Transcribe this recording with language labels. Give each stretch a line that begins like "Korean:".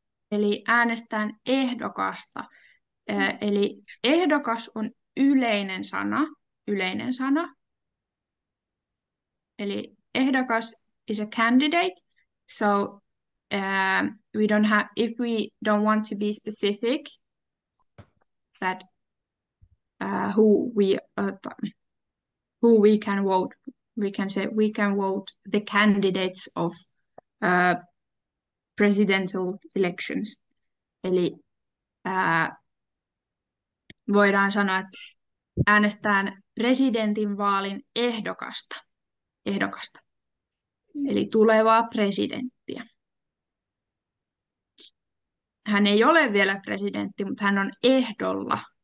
Finnish: Eli äänestään ehdokasta. Eli ehdokas on yleinen sana.
English: Eli ehdokas is a candidate. So we don't have, if we don't want to be specific that who we can vote, we can say we can vote the candidates of presidential elections.
Finnish: Eli voidaan sanoa, että äänestään presidentin vaalin ehdokasta. Eli tulevaa presidenttiä. Hän ei ole vielä presidentti, mutta hän on ehdolla,